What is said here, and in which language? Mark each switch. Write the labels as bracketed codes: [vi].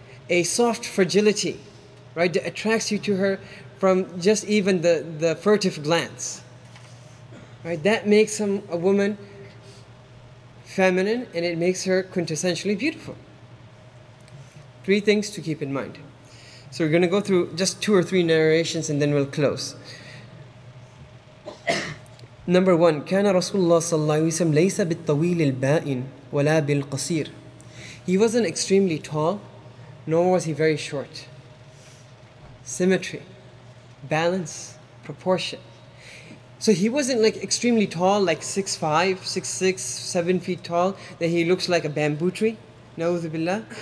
[en] A soft fragility, right? That attracts you to her from just even the furtive glance, right? That makes a woman feminine, and it makes her quintessentially beautiful. Three things to keep in mind. So we're going to go through just two or three narrations, and then we'll close. Number one, [ar] كان رسول الله صلى الله عليه وسلم ليس بالطويل البائن ولا بالقصير. [en] He wasn't extremely tall, nor was he very short. Symmetry, balance, proportion. So he wasn't like extremely tall, like 6'5", 6'6", 7 feet tall, that he looks like a bamboo tree, na'udhu billah.